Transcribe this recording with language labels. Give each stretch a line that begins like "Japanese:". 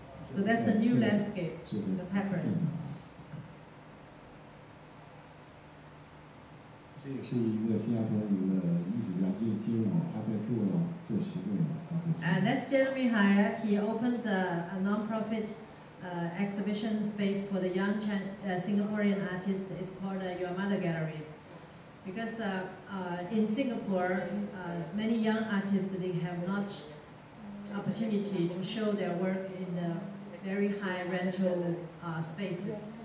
English: So that's the new landscape, the peppers.
Chinese: 这也是一个新加坡的一个艺术家金金勇，他在做行为。
English: And that's Jeremy Hire. He opens a non-profit exhibition space for the young Singaporean artist. It's called Your Mother Gallery. Because in Singapore, many young artists, they have not opportunity to show their work in the very high rental spaces.